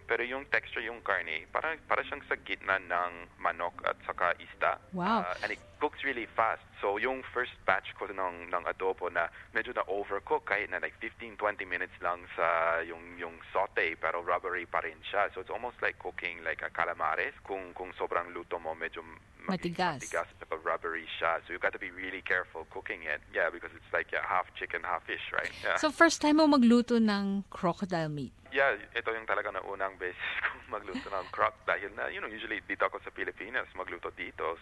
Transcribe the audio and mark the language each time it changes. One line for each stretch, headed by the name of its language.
Filipino: Pero yung texture yung karne, para siyang sa gitna ng manok at saka isda.
English: Wow. And it cooks really fast.
Filipino: So yung first batch ko ng adobo na medyo na overcook kahit na like 15-20 minutes lang sa yung saute, pero rubbery pa rin siya.
English: So it's almost like cooking like a calamares
Filipino: kung sobrang luto mo, medyo matigas, pero rubbery siya.
English: So you got to be really careful cooking it. Yeah, because it's like half chicken, half fish, right? Yeah.
Filipino: So first time mo magluto ng crocodile meat? Yeah, ito yung talaga na unang beses kong magluto ng croc dahil na, usually dito ako sa Pilipinas, magluto dito.